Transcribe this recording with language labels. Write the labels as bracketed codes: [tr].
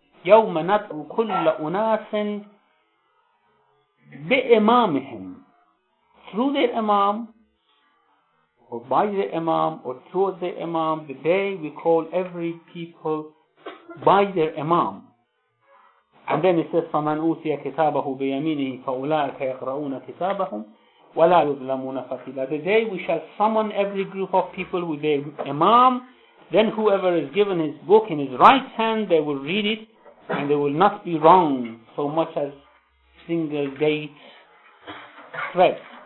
[ar] يَوْمَ نَدْعُ كُلَّ أُنَاسٍ بِإِمَامِهِمْ. [en] Through their imam, or by the imam, or towards the imam, the day we call every people by their imam. And then it says, [ar] فَمَنْ أُوْتِيَ كِتَابَهُ بِيَمِينِهِ فَأُولَٰئِكَ يَقْرَؤُونَ كِتَابَهُمْ وَلَا يُظْلَمُونَ فَتِيلًا. [en] The day we shall summon every group of people with their imam, then whoever is given his book in his right hand, they will read it, and they will not be wrong so much as single date threads.